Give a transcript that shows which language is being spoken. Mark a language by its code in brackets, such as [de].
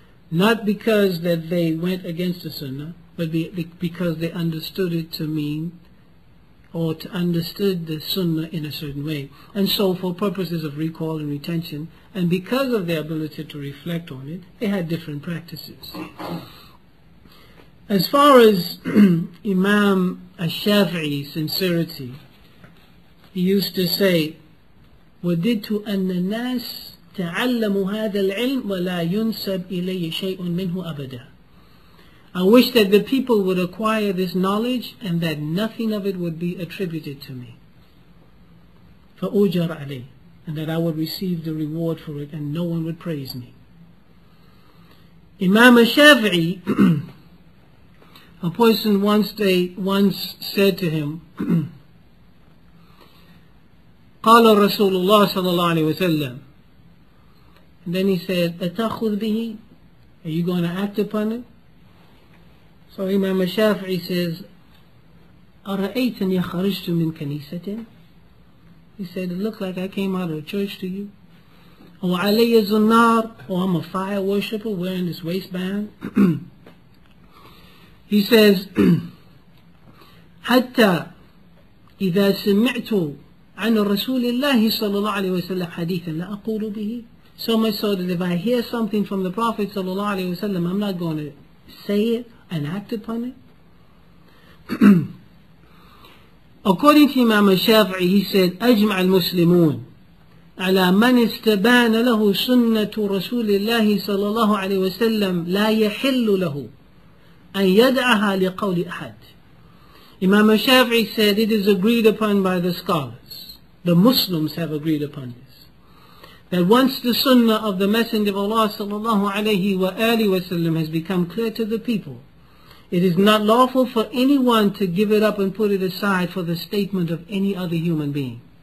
[en] Not because that they went against the Sunnah, but because they understood it to mean or to understood the Sunnah in a certain way. And so for purposes of recall and retention, and because of their ability to reflect on it, they had different practices. As far as Imam Ash-Shafi'i's sincerity, he used to say, [ar] وَدِدْتُ أَنَّ النَّاسِ تَعَلَّمُ هَذَا الْعِلْمِ وَلَا يُنْسَبْ إِلَيْهِ شَيْءٌ مِّنْهُ أَبَدًا. [en] I wish that the people would acquire this knowledge and that nothing of it would be attributed to me. [ar] فَأُجَرْ عَلَيْهِ. [en] And that I would receive the reward for it and no one would praise me. Imam Ash-Shafi'i, a person once said to him, [ar] قال رسول الله صلى الله عليه وسلم. [en] And then he said, [ar] أتأخذ به? [en] Are you going to act upon it? So Imam Ash-Shafi'i says, [ar] أرأيت أني خرجت من كنيسة? [en] He said, it looked like I came out of a church to you. [ar] وعلي زنار, [en] or I'm a fire worshiper wearing this waistband. He says, [ar] حتى إذا سمعت عن رسول الله صلى الله عليه وسلم حديثا لا أقول به. [en] So much so that if I hear something from the Prophet [ar] صلى الله عليه وسلم, [en] I'm not going to say it and act upon it. According to Imam Shafi'i, he said, [ar] أجمع المسلمون على من استبان له سنة رسول الله صلى الله عليه وسلم لا يحل له أن يدعها لقول أحد. [en] Imam Shafi'i said, it is agreed upon by the scholars. The Muslims have agreed upon this. That once the sunnah of the Messenger of Allah sallallahu alayhi wa alihi wa sallam has become clear to the people, it is not lawful for anyone to give it up and put it aside for the statement of any other human being.